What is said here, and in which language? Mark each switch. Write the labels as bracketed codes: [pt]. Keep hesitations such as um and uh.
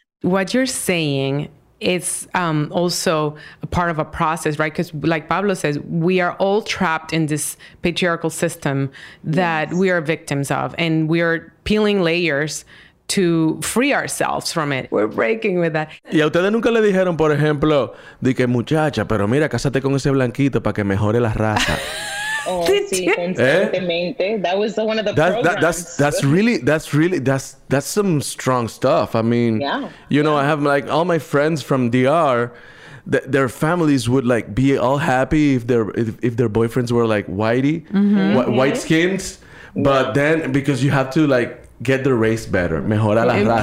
[en] what you're saying it's um, also a part of a process right because like pablo says we are all trapped in this patriarchal system that we are victims of and we are peeling layers to free ourselves from it we're breaking with that [es] Y a ustedes nunca le dijeron, por ejemplo, de que muchacha, pero mira, cásate con ese blanquito para que mejore la raza. [en] Oh, [es] sí, constantemente. [en] That was the, one of the That, that, that's that's really that's really that's that's some strong stuff. I mean, Yeah. you know, I have like all my friends from DR. th- Their families would like be all happy if their if, if their boyfriends were like whitey, whi- white skins, but then because you have to like get the race better, [es] mejora la raza,